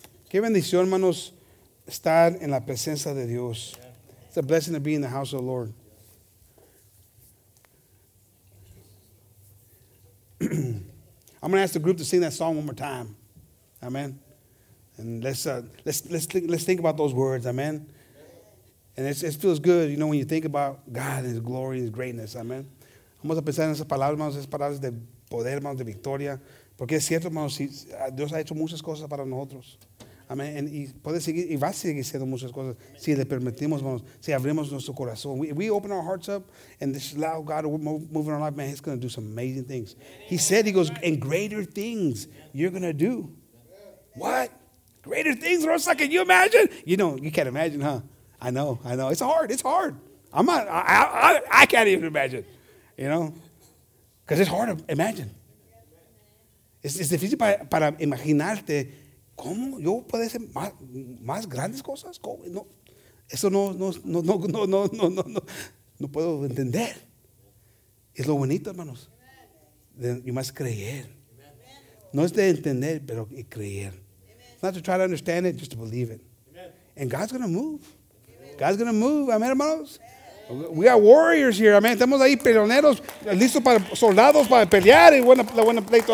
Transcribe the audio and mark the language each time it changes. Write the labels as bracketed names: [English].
[Spanish] Qué bendición, hermanos, estar en la presencia de Dios. [English] It's a blessing to be in the house of the Lord. I'm going to ask the group to sing that song one more time. Amen. And let's think about those words. Amen. And it feels good, you know, when you think about God and his glory and his greatness. [Spanish] Amen. Vamos a pensar en esas palabras de poder, hermanos, de victoria. Porque es cierto, hermanos, Dios ha hecho muchas cosas para nosotros. Amén. Y puede seguir, y va a seguir haciendo muchas cosas si le permitimos, hermanos, si abrimos nuestro corazón. [English] We open our hearts up and just allow God to move in our life, man, he's going to do some amazing things. He said, he goes, and greater things you're going to do. What? Greater things, Rosa, can you imagine? You can't imagine, huh? I know. It's hard. I can't even imagine. You know, because it's hard to imagine. [Spanish] Es difícil para imaginarte cómo yo puedo hacer más grandes cosas. No puedo entender. Es lo bonito, hermanos. [English] You must [Spanish] creer. No es de entender, pero creer. [English] It's not to try to understand it, just to believe it. And God's going to move. God's going to move. Amen, hermanos. We are warriors here. Amen. [Spanish] Estamos ahí peleoneros, listos para soldados para pelear y buena pleito.